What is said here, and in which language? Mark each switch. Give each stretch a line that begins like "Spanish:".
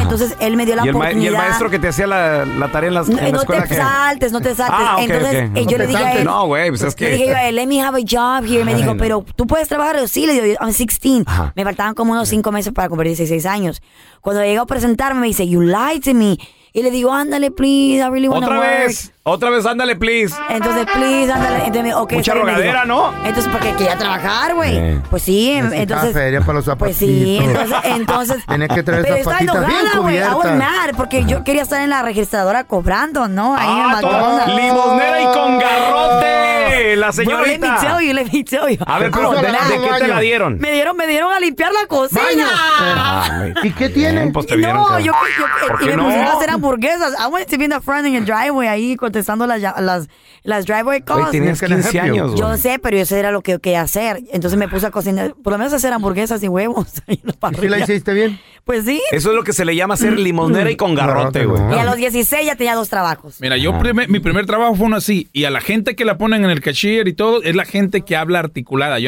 Spanish: Entonces, él me dio la oportunidad. ¿Y el maestro que te hacía la tarea en la escuela? No te saltes. Ah, okay, entonces, okay. Yo le dije a él. No, güey, pues es que... Le dije a él,
English: let me have a job here.
Spanish: Me dijo, pero ¿tú puedes trabajar? Sí, le digo,
English: I'm 16.
Spanish: Ajá. Me faltaban como unos 5 meses para cumplir 16 años. Cuando llegó a presentarme, me dice,
English: you lied to me.
Spanish: Y le digo, ándale,
English: please, I really want to work.
Spanish: Otra vez, ándale, please. Entonces, please, ándale. Entonces, okay, mucha rogadera, ¿no? Entonces, porque quería trabajar, güey. Pues sí, entonces. Feria para los zapatitos. Pues sí, entonces. Tienes que traer zapatitos bien cubiertas. Pero estaba enojada, güey.
English: I was mad,
Spanish: porque yo quería estar en la registradora cobrando, ¿no? Ahí en McDonald's. Limosnera y con garrote. la señorita. Bro, le mixeo yo. A ver, pero ¿de qué te la dieron? Me dieron a limpiar la cocina. ¡Baño! ¿Y qué tienen? Pues te vieron, no, yo me pusieron a hacer hamburguesas.
English: I went to be in the front in the driveway
Spanish: ahí contestando las
English: driveway calls.
Spanish: Oye, tenías 15 años. Yo sé, pero eso era lo que quería hacer. Entonces me puse a cocinar, por lo menos a hacer hamburguesas y huevos. ¿Y la hiciste bien? Pues sí. Eso es lo que se le llama hacer limonera y con garrote, güey. Y a los 16 ya tenía dos trabajos. Mira, yo mi primer trabajo fue uno así. Y a la gente que la ponen en el cashier y todo, es la gente que habla articulada.